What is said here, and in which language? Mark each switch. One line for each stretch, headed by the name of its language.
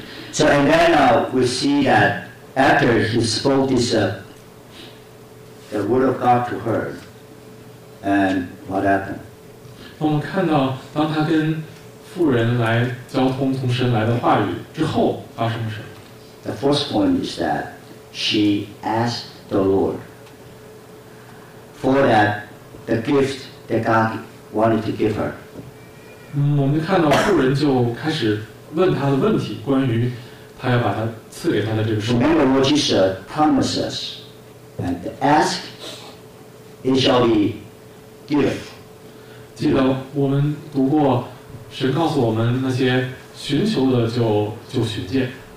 English: So and then we see that after he spoke this the word of God to her, and what happened?
Chinese: 我们看到当他跟妇人来交通从神来的话语之后发生什么？
English: The first point is that she asked the Lord for that the gift that God wanted to give her.
Chinese: 我们看到妇人就开始问他的问题，关于他要把他赐给他的这个圣
English: 灵。Remember, Jesus promises, and ask, it shall be given.
Chinese: 记得我们读过，神告诉我们那些寻求的就寻见，